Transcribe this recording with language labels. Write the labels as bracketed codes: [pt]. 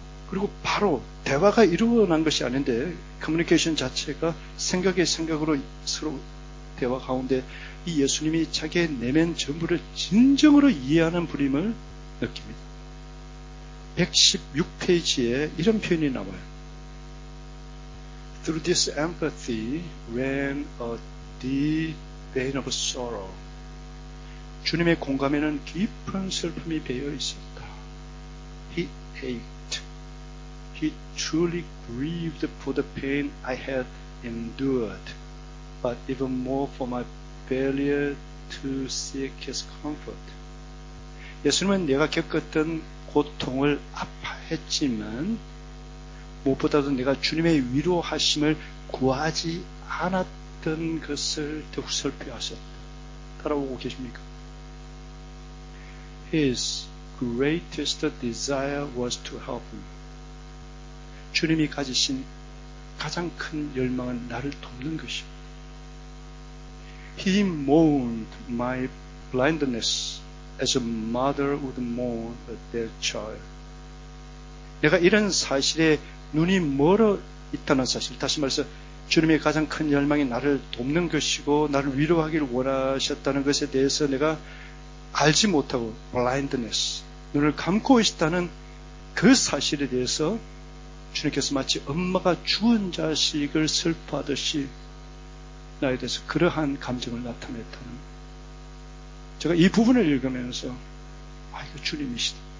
[ko] 그리고 바로 대화가 일어난 것이 아닌데 커뮤니케이션 자체가 생각의 생각으로 서로 대화 가운데 이 예수님이 자기의 내면 전부를 진정으로 이해하는 분임을 느낍니다. 116페이지에 이런 표현이 나와요. [en] Through this empathy ran a deep vein of sorrow. [ko] 주님의 공감에는 깊은 슬픔이 배어 있었다. [en] He ached. He truly grieved for the pain I had endured, but even more for my failure to seek his comfort. [ko] 예수님은 내가 겪었던 고통을 아파했지만 무엇보다도 내가 주님의 위로하심을 구하지 않았던 것을 더욱 설피하셨다. 따라오고 계십니까? [en] His greatest desire was to help me. [ko] 주님이 가지신 가장 큰 열망은 나를 돕는 것입니다. [en] He mourned my blindness as a mother would mourn their child. [ko] 내가 이런 사실에 눈이 멀어 있다는 사실, 다시 말해서 주님의 가장 큰 열망이 나를 돕는 것이고 나를 위로하기를 원하셨다는 것에 대해서 내가 알지 못하고 blindness, 눈을 감고 있다는 그 사실에 대해서 주님께서 마치 엄마가 죽은 자식을 슬퍼하듯이 나에 대해서 그러한 감정을 나타냈다는, 제가 이 부분을 읽으면서 아, 이거 주님이시다.